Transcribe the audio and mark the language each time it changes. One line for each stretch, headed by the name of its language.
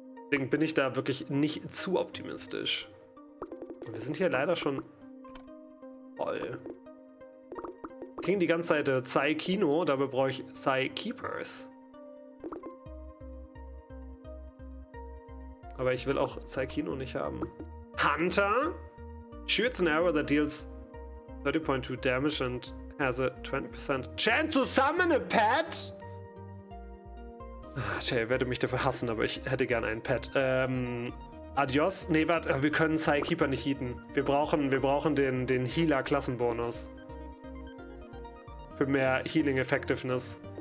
German: Deswegen bin ich da wirklich nicht zu optimistisch. Wir sind hier leider schon voll. Klingt die ganze Zeit Psy Kino, dabei brauche ich Psy Keepers. Aber ich will auch Psy Kino nicht haben. Hunter?
English: Shoots an arrow that deals 30.2 damage and has a 20% chance to summon a pet?
German: Jay, werde mich dafür hassen, aber ich hätte gerne ein Pet. Adios? Nee, warte, wir können Psy Keeper nicht heaten. Wir brauchen den Healer-Klassenbonus. Für mehr Healing Effectiveness.